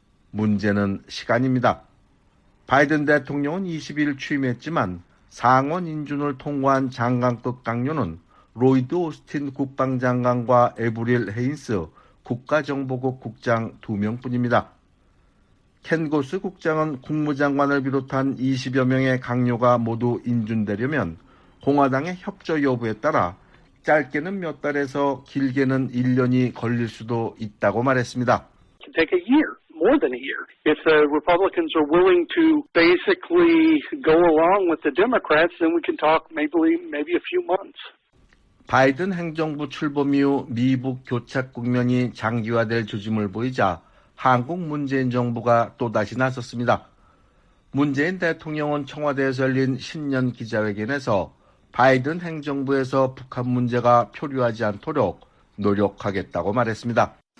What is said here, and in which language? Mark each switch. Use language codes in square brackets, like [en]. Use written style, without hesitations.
[ko] 문제는 시간입니다. 바이든 대통령은 20일 취임했지만 상원 인준을 통과한 장관급 강요는 로이드 오스틴 국방장관과 에브릴 헤인스 국가정보국 국장 두 명뿐입니다. 켄 고스 국장은 국무장관을 비롯한 20여 명의 강요가 모두 인준되려면 공화당의 협조 여부에 따라 짧게는 몇 달에서 길게는 1년이 걸릴 수도 있다고 말했습니다. [en] It can take a year, more than a year. If the Republicans are willing to basically go along with the Democrats, then we can talk maybe a few months. [ko] 바이든 행정부 출범 이후 미북 교착 국면이 장기화될 조짐을 보이자 한국 문재인 정부가 또다시 나섰습니다. 문재인 대통령은 청와대에서 열린 신년 기자회견에서 바이든 행정부에서 북한 문제가 표류하지 않도록 노력하겠다고 말했습니다.